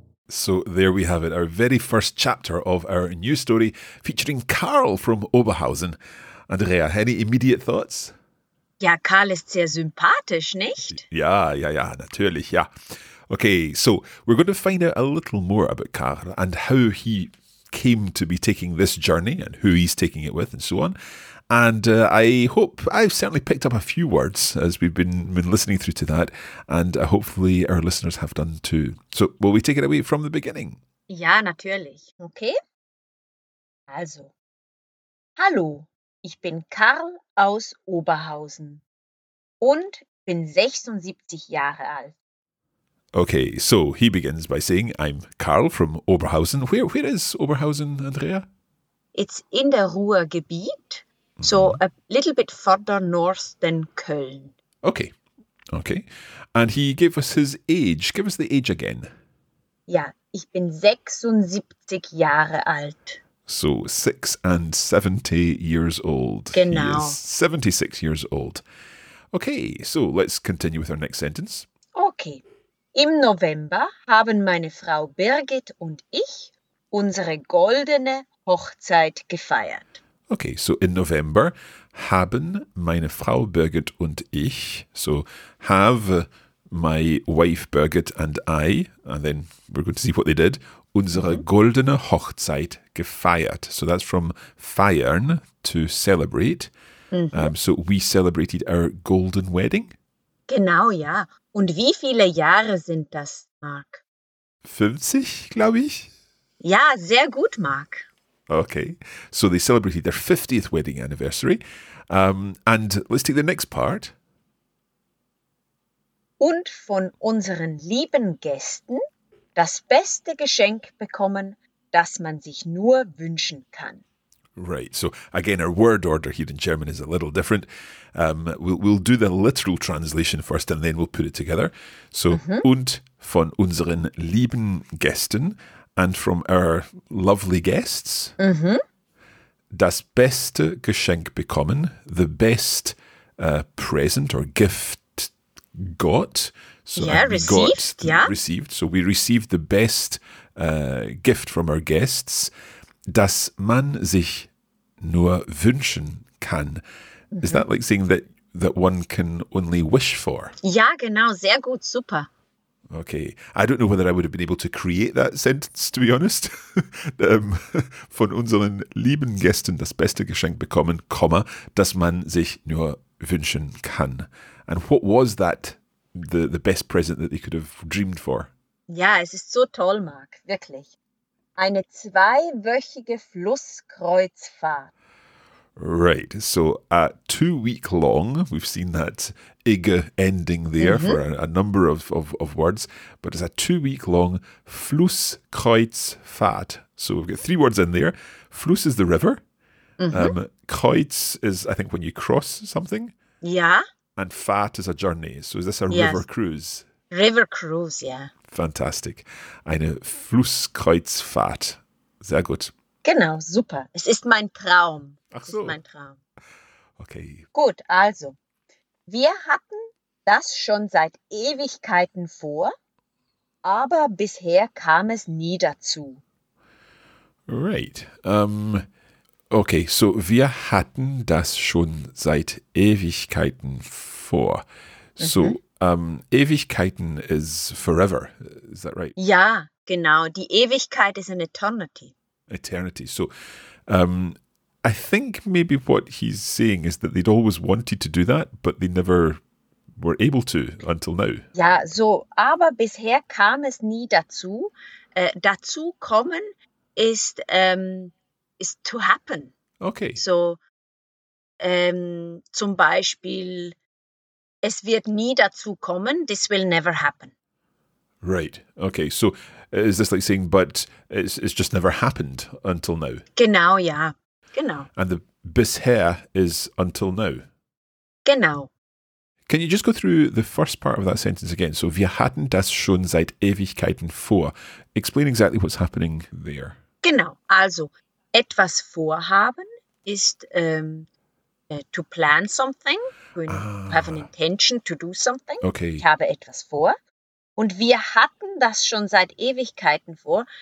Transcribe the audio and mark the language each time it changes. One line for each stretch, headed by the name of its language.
English: So there we have it, our very first chapter of our new story featuring Karl from Oberhausen. Andrea, any immediate thoughts?
German: Ja, Karl ist sehr sympathisch, nicht? Ja, natürlich, ja.
English: Okay, so we're going to find out a little more about Karl and how he came to be taking this journey and who he's taking it with and so on. And I've certainly picked up a few words as we've been listening through to that, and hopefully our listeners have done too. So will we take it away from the beginning?
German: Ja, natürlich. Okay. Also, hallo. Ich bin Karl aus Oberhausen und bin 76 Jahre alt.
English: Okay, so he begins by saying, I'm Karl from Oberhausen. Where is Oberhausen, Andrea? It's in the Ruhrgebiet, so a little bit further north than Köln. Okay. And he gave us his age. Give us the age again.
German: Ja, ich bin 76 Jahre alt.
English: So, 76 years old.
German: Genau.
English: He is 76 years old. Okay, so let's continue with our next sentence. Okay.
German: Im November haben meine Frau Birgit und ich unsere goldene Hochzeit gefeiert.
English: Okay, so in November
German: haben meine Frau Birgit und ich,
English: so have my wife Birgit and I, and then we're going to see what they did,
German: unsere goldene Hochzeit gefeiert.
English: So that's from feiern, to celebrate. Mm-hmm. So we celebrated our golden wedding.
German: Genau, ja. Und wie viele Jahre sind das, Mark? 50, glaube ich. Ja, sehr gut, Mark.
English: Okay, so they celebrated their 50th wedding anniversary. And let's take the next part.
German: Und von unseren lieben Gästen das beste Geschenk bekommen, das man sich nur wünschen kann.
English: Right, so again, our word order here in German is a little different. We'll do the literal translation first and then we'll put it together. So,
German: Und von unseren lieben Gästen,
English: and from our lovely guests,
German: Das beste Geschenk bekommen,
English: the best present or gift got. So yeah, received, got the, yeah. Received, so we received the best gift from our guests,
German: das man sich nur wünschen kann.
English: Mm-hmm. Is that like saying that one can only wish for?
German: Ja, genau, sehr gut, super.
English: Okay, I don't know whether I would have been able to create that sentence, to be honest.
German: von unseren lieben Gästen das beste Geschenk bekommen, das man sich nur wünschen kann.
English: And what was that, the best present that they could have dreamed for?
German: Ja, es ist so toll, Mark, wirklich. Eine zweiwöchige Flusskreuzfahrt.
English: Right, so a 2 week long, we've seen that ig ending there for a number of words, but it's a 2 week long Flusskreuzfahrt. So we've got three words in there. Fluss is the river. Mm-hmm. Kreuz is, I think, when you cross something. Yeah. And Fahrt is a journey. So is this a river cruise? River cruise, yeah. Fantastic.
German: Eine Flusskreuzfahrt. Sehr gut. Genau, super. Es ist mein Traum. Ach so. Das ist mein Traum.
English: Okay.
German: Gut, also, wir hatten das schon seit Ewigkeiten vor, aber bisher kam es nie dazu.
English: Right.
German: Okay, so wir hatten das schon seit Ewigkeiten vor.
English: So, Ewigkeiten is forever, is that right?
German: Ja, genau. Die Ewigkeit
English: is an eternity. Eternity. So, I think maybe what he's saying is that they'd always wanted to do that, but they never were able to until now.
German: Ja, so, aber bisher kam es nie dazu. Dazu kommen ist
English: to happen. Okay.
German: So, zum Beispiel, es wird nie dazu kommen,
English: this will never happen. Right, okay, so is this like saying, but it's just never happened until now?
German: Genau, ja. Genau.
English: And the bisher is until now.
German: Genau.
English: Can you just go through the first part of that sentence again?
German: So wir hatten das schon seit Ewigkeiten vor.
English: Explain exactly what's happening there.
German: Genau. Also etwas vorhaben ist
English: to plan something. When you have an intention to do something. Okay.
German: Ich habe etwas vor. Und wir hatten das schon seit Ewigkeiten vor.